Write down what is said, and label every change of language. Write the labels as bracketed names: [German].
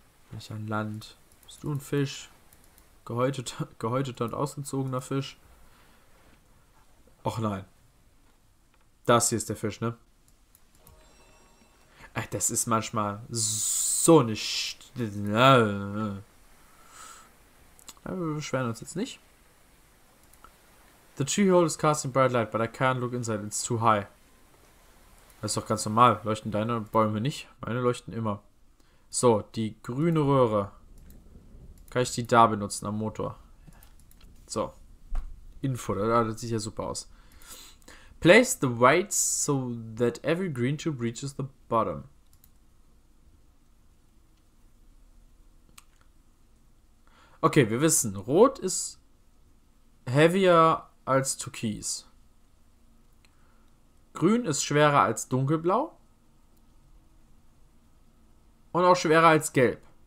[German] Nicht an Land. Bist du ein Fisch? Gehäuteter und ausgezogener Fisch. Och nein. Das hier ist der Fisch, ne? Ach, das ist manchmal so eine Aber wir beschweren uns jetzt nicht. [English] The tree hole is casting bright light, but I can't look inside. It's too high. [German] Das ist doch ganz normal. Leuchten deine Bäume nicht? Meine leuchten immer. So, die grüne Röhre. Kann ich die da benutzen am Motor? So. Info, das sieht ja super aus. [English] Place the weights so that every green tube reaches the bottom. [German] Okay, wir wissen, rot ist heavier als türkis. Grün ist schwerer als dunkelblau. Und auch schwerer als gelb.